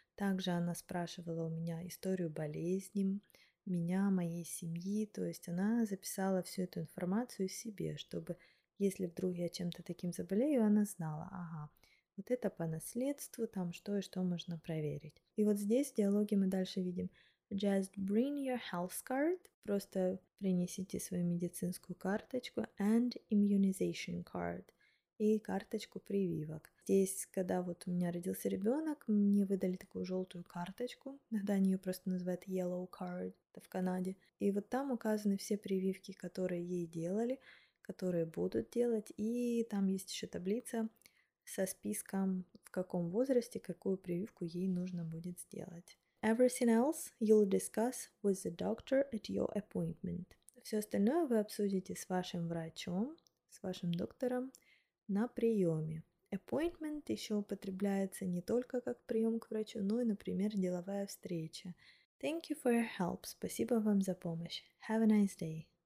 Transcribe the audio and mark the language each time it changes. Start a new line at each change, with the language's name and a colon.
Russian: Также она спрашивала у меня историю болезни, меня, моей семьи, то есть она записала всю эту информацию себе, чтобы, если вдруг я чем-то таким заболею, она знала, ага, вот это по наследству, там что и что можно проверить. И вот здесь в диалоге мы дальше видим.
English: Just bring your health card.
Russian: Просто принесите свою медицинскую карточку.
English: And immunization card.
Russian: И карточку прививок. Здесь, когда вот у меня родился ребенок, мне выдали такую желтую карточку. Иногда они ее просто называют yellow card. Это в Канаде. И вот там указаны все прививки, которые ей делали, которые будут делать. И там есть еще таблица со списком, в каком возрасте, какую прививку ей нужно будет сделать.
English: Everything else you'll discuss with the doctor at your appointment.
Russian: Все остальное вы обсудите с вашим врачом, с вашим доктором на приеме. Appointment еще употребляется не только как прием к врачу, но и, например, деловая встреча.
English: Thank you for your help.
Russian: Спасибо вам за помощь.
English: Have a nice day.